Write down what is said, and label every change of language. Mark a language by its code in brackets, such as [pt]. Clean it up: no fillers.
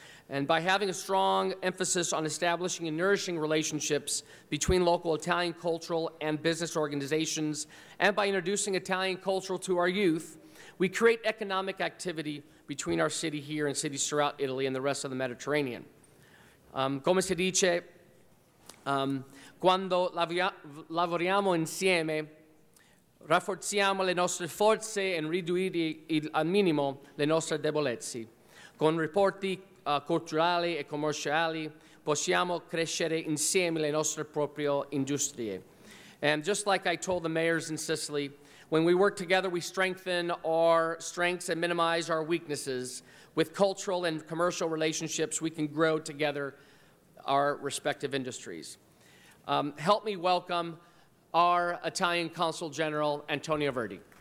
[en] And by having a strong emphasis on establishing and nourishing relationships between local Italian cultural and business organizations, and by introducing Italian culture to our youth, we create economic activity between our city here and cities throughout Italy and the rest of the Mediterranean. [it] Come si dice, quando lavoriamo insieme, rafforziamo le nostre forze e riduciamo al minimo le nostre debolezze. Con rapporti culturali e commerciali, possiamo crescere insieme le nostre proprie industrie. [en] And just like I told the mayors in Sicily, when we work together, we strengthen our strengths and minimize our weaknesses. With cultural and commercial relationships, we can grow together our respective industries. Help me welcome our Italian Consul General, Antonio Verdi.